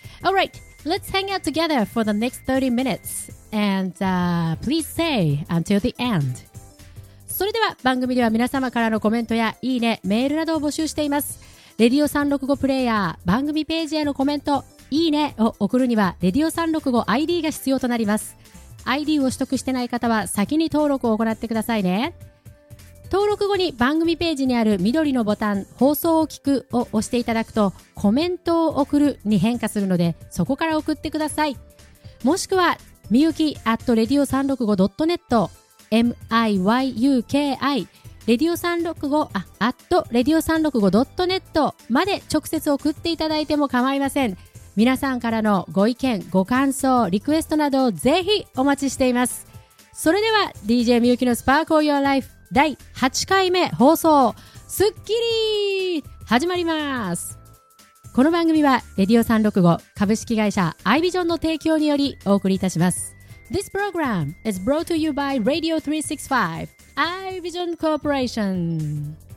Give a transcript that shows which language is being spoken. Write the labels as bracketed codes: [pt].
[en] Alright, let's hang out together for the next 30 minutes, and please stay until the end. [ja] それでは番組では皆様からのコメントやいいね、メールなどを募集しています。レディオ365プレイヤー番組ページへのコメント、いいねを送るにはレディオ365 ID が必要となります。 ID を取得してない方は先に登録を行ってくださいね。登録後に番組ページにある緑のボタン、放送を聞くを押していただくとコメントを送るに変化するので、そこから送ってください。もしくはみゆき @radio365.net miyuki radio365@radio365.net まで直接送っていただいても構いません。皆さんからのご意見、ご感想、リクエストなどをぜひお待ちしています。それでは DJ みゆきのスパークルヨーライフ第8回目放送、スッキリ始まります。この番組は Radio365 株式会社アイビジョンの提供によりお送りいたします。 [en] This program is brought to you by Radio365iVision Corporation。